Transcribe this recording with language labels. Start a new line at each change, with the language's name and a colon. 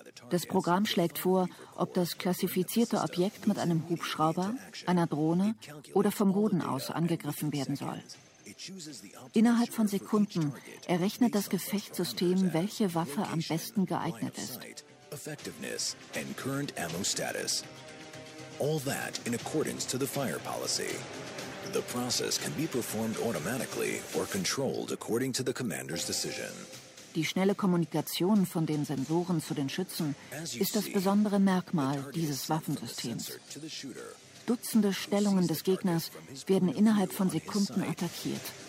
German: Das Programm schlägt vor, ob das klassifizierte Objekt mit einem Hubschrauber, einer Drohne oder vom Boden aus angegriffen werden soll. Innerhalb von Sekunden errechnet das Gefechtssystem, welche Waffe am besten geeignet ist.
English: Effectiveness and current ammo status. All that in accordance to the fire policy. The process can be performed automatically or controlled according to the commander's decision.
German: Die schnelle Kommunikation von den Sensoren zu den Schützen ist das besondere Merkmal dieses Waffensystems. Dutzende Stellungen des Gegners werden innerhalb von Sekunden attackiert.